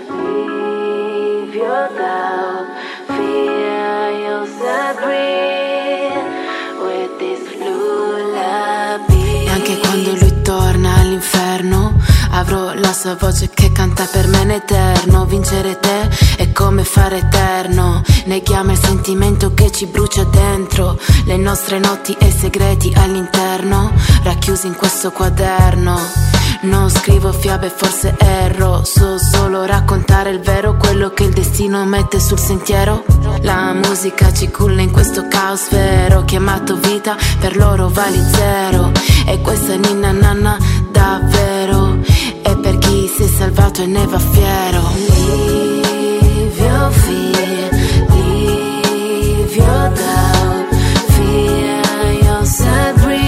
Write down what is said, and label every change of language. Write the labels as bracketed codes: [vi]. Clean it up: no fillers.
[en] Leave your doubt, fear yourself breathe with this lullaby. [it] E anche quando lui torna all'inferno, avrò la sua voce che canta per me in eterno. Vincere te è come fare eterno, neghiamo il sentimento che ci brucia dentro, le nostre notti e segreti all'interno, racchiusi in questo quaderno. Non scrivo fiabe, forse erro, so solo raccontare il vero, quello che il destino mette sul sentiero. La musica ci culla in questo caos vero, chiamato vita, per loro vali zero. E questa ninna nanna davvero è per chi si è salvato e ne va fiero. [en] Leave your fear, leave your doubt, fear yourself.